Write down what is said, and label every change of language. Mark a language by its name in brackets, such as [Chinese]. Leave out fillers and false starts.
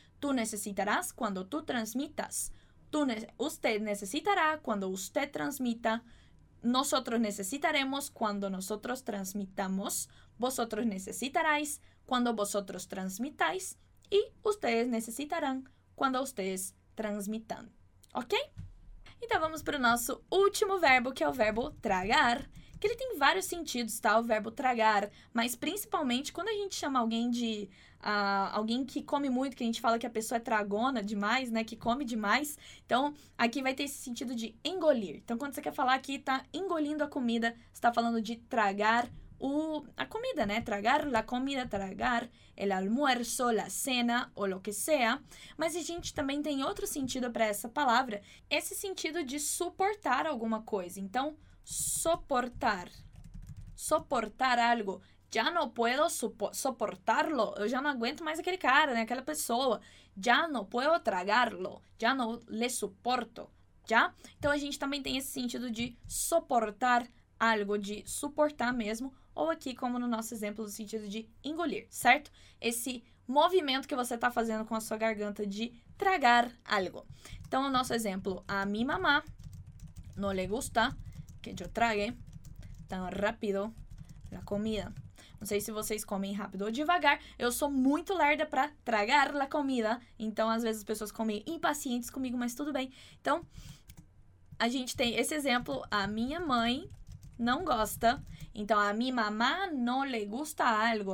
[Spanish] Tú necesitarás cuando tú transmitas. Usted necesitará cuando usted transmita. Nosotros necesitaremos cuando nosotros transmitamos. Vosotros necesitaréis cuando vosotros transmitáis. Y ustedes necesitarán cuando ustedes transmitan. ¿Ok? [Portuguese] Então, vamos para o nosso último verbo, que é o verbo tragar. Que ele tem vários sentidos, tá? O verbo tragar. Mas, principalmente, quando a gente chama alguém de... alguém que come muito, que a gente fala que a pessoa é tragona demais, né? Que come demais. Então, aqui vai ter esse sentido de engolir. Então, quando você quer falar que tá engolindo a comida, você tá falando de tragar [Spanish] la comida, né? Tragar la comida, tragar el almuerzo, la cena o lo que sea. [Portuguese] Mas a gente também tem outro sentido para essa palavra, esse sentido de suportar alguma coisa. [Spanish] Então, soportar. Soportar algo. Ya no puedo soportarlo. [Portuguese] Eu já não aguento mais aquele cara, né? Aquela pessoa. [Spanish] Ya no puedo tragarlo. Ya no le soporto. Já? [Portuguese] Então, a gente também tem esse sentido de soportar algo, de suportar mesmo. Ou aqui, como no nosso exemplo, no sentido de engolir, certo? Esse movimento que você está fazendo com a sua garganta de tragar algo. Então, o nosso exemplo. [Spanish] A mi mamá no le gusta que yo trague tan rápido la comida. [Portuguese] Não sei se vocês comem rápido ou devagar. Eu sou muito lerda para [Spanish] tragar la comida. [Portuguese] Então, às vezes, as pessoas comem impacientes comigo, mas tudo bem. Então, a gente tem esse exemplo. A minha mãe não gosta. Então, [Spanish] a mi mamá no le gusta algo.